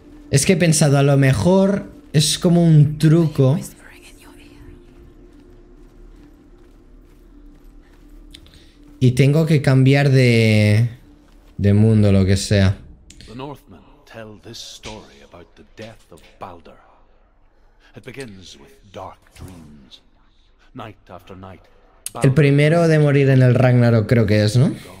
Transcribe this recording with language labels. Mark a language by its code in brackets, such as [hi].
[es] Es que he pensado, a lo mejor Es como un truco. Y tengo que cambiar de mundo, lo que sea. [en] The Northmen tell this story about the death of Baldur. It begins with dark dreams. Night after night. [es] El primero de morir en el Ragnarok creo que es, ¿no?